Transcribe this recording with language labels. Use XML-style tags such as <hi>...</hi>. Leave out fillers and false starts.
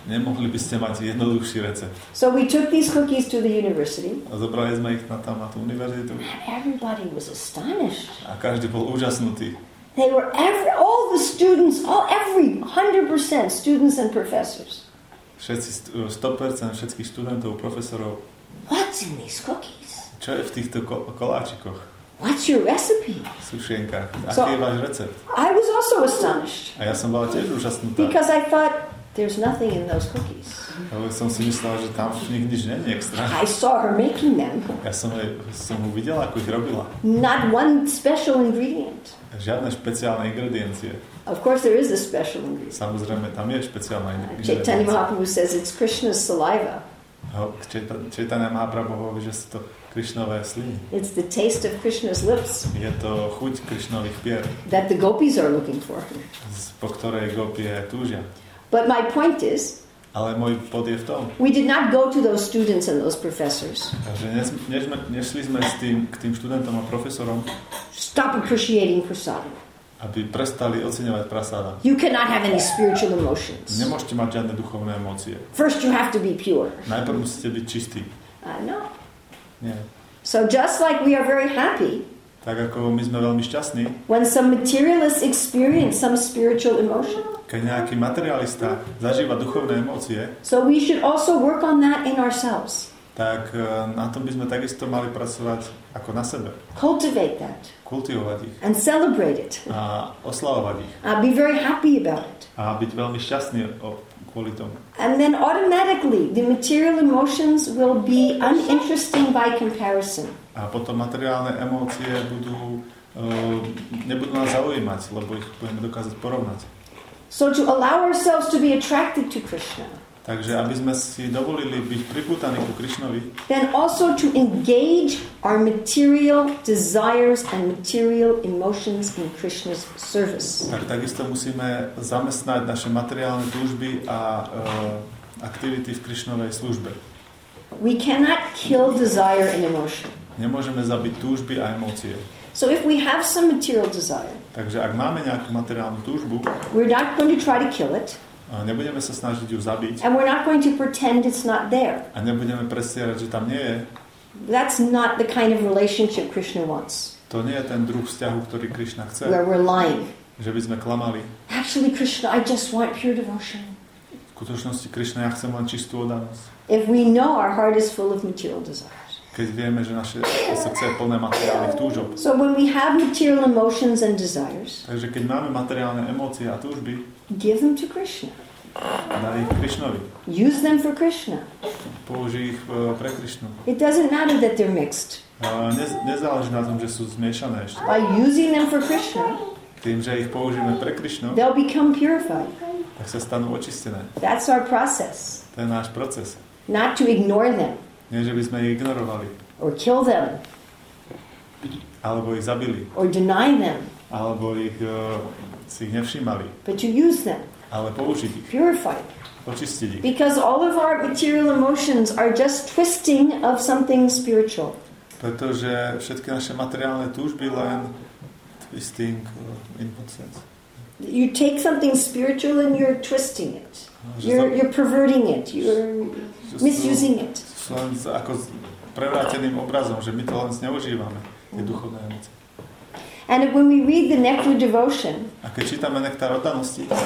<sk>Nemohli by ste mať jednoduchší recept.</sk> <en>So we took these cookies to the university.</en> <sk>A zobrali sme ich na tú univerzitu.</sk> <en>Everybody was astonished.</en> <sk>A každý bol úžasnutý.</sk> <en>They were all the students, all every 100% students and professors.</en> <sk>Všetci 100% všetkých študentov, profesorov.</sk> <en>What's in these cookies?</en> <sk>Čo je v týchto koláčikoch?</sk> <en>What's your recipe?</en> <sk>Sušenka, aký je váš recept?</sk> <en>I was also astonished.</en> <sk>A ja som bola tiež úžasnutá.</sk> <en>Because I thought there's nothing in those cookies.</en> <sk>Ale som si myslela, že tam v nich nič není extra.</sk> <en>I saw her making them.</en> <sk>Ja som uvidela, ako ich robila.</sk> <en>Not one special ingredient.</en> <sk>Žiadne špeciálne ingrediencie.</sk> <en>Of course there is a special ingredient.</en> <sk>Samozrejme, tam je špeciálna ingrediencia.</sk> <en>Chaitanya Mahaprabhu says it's Krishna's saliva.</en> <sk>Chaitanya Mahaprabhu hovorí, že to Krishnové sliny.</sk> <en>It's the taste of Krishna's lips.</en> <sk>Je to chuť Krishnových pier.</sk> <en>That the gopis are looking for.</en> <sk>Po ktorej gopie túžia.</sk> <en>But my point is,</en> <sk>Ale môj bod je v tom.</sk> <en>We did not go to those students and those professors.</en> <sk>Takže nešli sme s tým, k tým študentom a profesorom.</sk> <en>Stop appreciating prasada.</en> <sk>Aby prestali oceňovať prasada.</sk> <en>You cannot have any spiritual emotions.</en> <sk>Nemôžete mať žiadne duchovné emócie.</sk> <en>First you have to be pure.</en> <sk>Najprv musíte byť čistí.</sk> <en>No.</en> <sk>Nie.</sk> <en>So just like we are very happy.</en> <sk>Tak ako my sme veľmi šťastní.</sk> <en>When some materialists experience some spiritual emotion.</en> <sk>Keď nejaký materialista zažíva duchovné emócie.</sk> <en>So we should also work on that in ourselves.</en> <sk>Tak na tom by sme takisto mali pracovať ako na sebe.</sk> <en>Cultivate that.</en> <sk>Kultivovať ich.</sk> <en>And celebrate it.</en> <sk>A oslavovať ich.</sk> <en>And be very happy about it.</en> <sk>A byť veľmi šťastný kvôli tomu.</sk> <en>And then automatically the material emotions will be uninteresting by comparison.</en> <sk>A potom materiálne emócie budú nebudú nás zaujímať, lebo ich budeme dokázať porovnať.</sk> <en>So to allow ourselves to be attracted to Krishna.</en> <sk>Takže aby sme si dovolili byť pripútaní ku Krišnovi.</sk> <en>Then also to engage our material desires and material emotions in Krishna's service.</en> <sk>Tak takisto musíme zamestnať naše materiálne túžby a aktivity v Krišnovej službe.</sk> <en>We cannot kill desire and emotion.</en> <sk>Nemôžeme zabiť túžby a emócie.</sk> <en>So if we have some material desire.</en> <sk>Takže ak máme nejakú materiálnu túžbu.</sk> <en>We're not going to try to kill it.</en> <sk>A nebudeme sa snažiť ju zabiť.</sk> <en>And we're not going to pretend it's not there.</en> <sk>A nebudeme presierať, že tam nie je.</sk> <en>That's not the kind of relationship Krishna wants.</en> <sk>To nie je ten druh vzťahu, ktorý Krishna chce.</sk> <en>Where we're lying.</en> <sk>Že by sme klamali.</sk> <en>Actually, Krishna, I just want pure devotion.</en> <sk>V skutočnosti, Krishna, ja chcem len čistú oddanosť.</sk> <en>If we know our heart is full of material desire.</en> <sk>Keď vieme, že naše srdce je plné materiálnych túžob.</sk> <en>So when we have material emotions and desires.</en> <sk>Takže keď máme materiálne emócie a túžby.</sk> <en>Give them to Krishna.</en> <sk>Daj ich Krishnovi.</sk> <en>Use them for Krishna.</en> <sk>Použij ich pre Krishnu.</sk> <en>It doesn't matter that they're mixed.</en> <sk>Nezáleží na tom, že sú zmiešané ešte.</sk> <en>By using them for Krishna.</en> <sk>Tým, že ich použijeme pre Krishnu.</sk> <en>They'll become purified.</en> <sk>Tak sa stanú očistené.</sk> <en>That's our process.</en> <sk>To je náš proces.</sk> <en>Not to ignore them.</en> <sk>Nie, že by sme ich ignorovali.</sk> <en>Or kill them.</en> <sk>Alebo ich zabili.</sk> <en>Or deny them.</en> <sk>Alebo ich si ich nevšimali.</sk> <en>But you use them.</en> <sk>Ale použiť ich.</sk> <en>Purify.</en> <sk>Očistiť ich.</sk> <en>Because all of our material emotions are just twisting of something spiritual.</en> <sk>Pretože všetky naše materiálne túžby len</sk> <en>twisting in what sense? You take something spiritual and you're twisting it. You're perverting it. You're misusing it.</en> <sk>Len ako s prevráteným obrazom, že my to len zneužívame, tie duchovné emócie.</sk> <en>And when we read the Nectar Devotion,</en> <sk>a keď čítame Nektar oddanosti,</sk>